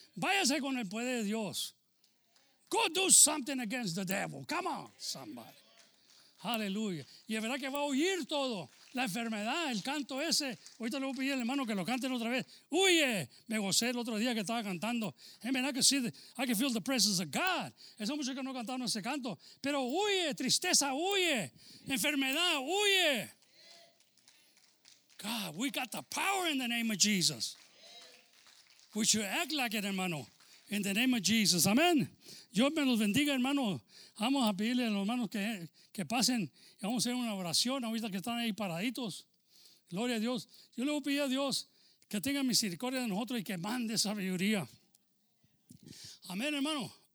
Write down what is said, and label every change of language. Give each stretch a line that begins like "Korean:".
Spanish: Váyase con el poder de Dios.
English: Go do something against the devil. Come on, somebody. Hallelujah.
Spanish: Y es verdad que va a oír todo. La enfermedad, el canto ese. Ahorita le voy a pedir al hermano que lo canten otra vez. ¡Huye! Me gocé el otro día que estaba cantando.
English: Amen, I can feel the presence of God.
Spanish: Eso mucho que no cantaron ese canto. Pero huye, tristeza, huye. Enfermedad, huye.
English: God, we got the power in the name of Jesus. We should act like it, hermano. In the name of Jesus.
Spanish: Amén. Dios me los bendiga, hermano. Vamos a pedirle a los hermanos que pasen. Vamos a hacer una oración ahorita que están ahí paraditos. Gloria a Dios. Yo le voy a pedir a Dios que tenga misericordia de nosotros y que mande sabiduría. Amén, hermano.